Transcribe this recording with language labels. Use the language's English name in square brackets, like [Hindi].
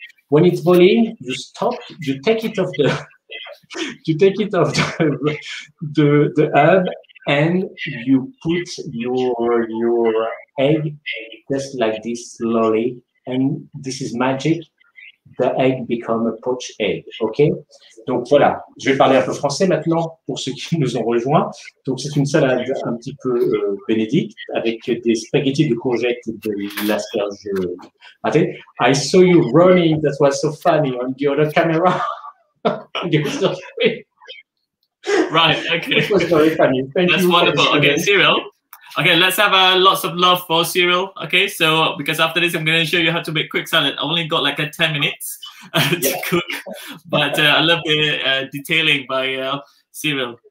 [English] When it's boiling, you stop, you take it off the you take it off the herb, and you put your egg just like this slowly, and this is magic. The egg become a poached egg, okay? [French] Donc voilà, je vais parler un peu français maintenant pour ceux qui nous ont rejoints. Donc c'est une salade un petit peu bénédicte avec des spaghettis de courgettes et de l'asperge. [English] Attends, I saw you running, that was so funny on the other camera. Right, okay. This was very funny. Thank That's you wonderful. Okay, Cyril. Okay, let's have lots of love for Cyril. Okay, so because after this, I'm going to show you how to make quick salad. I only got like 10 minutes to cook, but I love the detailing by Cyril.